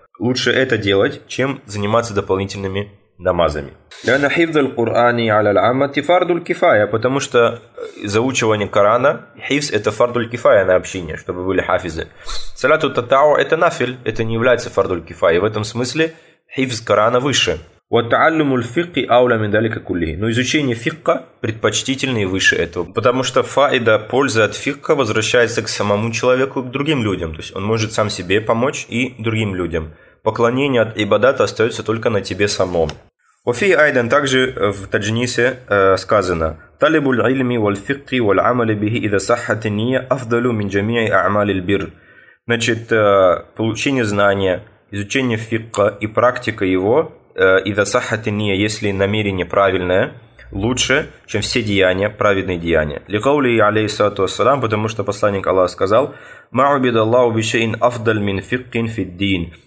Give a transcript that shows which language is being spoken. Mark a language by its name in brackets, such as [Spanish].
[Russian] Лучше это делать, чем заниматься дополнительными намазами. [Arabic] لأن حفظ القرآن على العامة فرض الكفاية, [Russian] потому что заучивание Корана, хифз, это фардуль кифая на общине, чтобы были хафизы. Салату татау это нафиль, это не является фардуль кифая. В этом смысле хифз Корана выше. [Arabic] وتعلم الفقه أولى من ذلك كله. [Russian] Но изучение фикха предпочтительнее выше этого, потому что фаида, польза от фикха возвращается к самому человеку, к другим людям. То есть он может сам себе помочь и другим людям. Поклонение от ибадата остается только на тебе самом. [Arabic] وفي أيضا [Russian] также в таджнисе сказано: [Arabic] طلب العلم والفقه والعمل به إذا صحت النية أفضل من جميع أعمال البر. [Russian] Значит, получение знания, изучение фикха и практика его, если намерение правильное, лучше, чем все деяния, праведные деяния. [Arabic] Ликаули алейхи салату вассалам, [Russian] потому что посланник Аллаха сказал: [Arabic] «Ма убидаллаху бишайин афдаль мин фиккин фид-дин».